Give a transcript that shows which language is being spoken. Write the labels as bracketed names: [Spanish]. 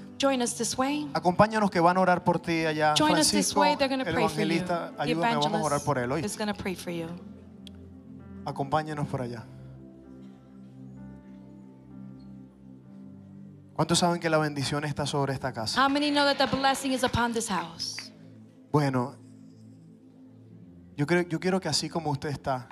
[English] Join us this way. [Spanish] Acompáñanos que van a orar por ti allá. [English] Join Francisco, us this way. They're going to pray for you. [Spanish] El evangelista, ayúdame, vamos a orar por él hoy. [English] He's going to pray for you. [Spanish] Acompáñenos por allá. ¿Cuántos saben que la bendición está sobre esta casa? [English] How many know that the blessing is upon this house? [Spanish] Bueno, yo quiero que así como usted está,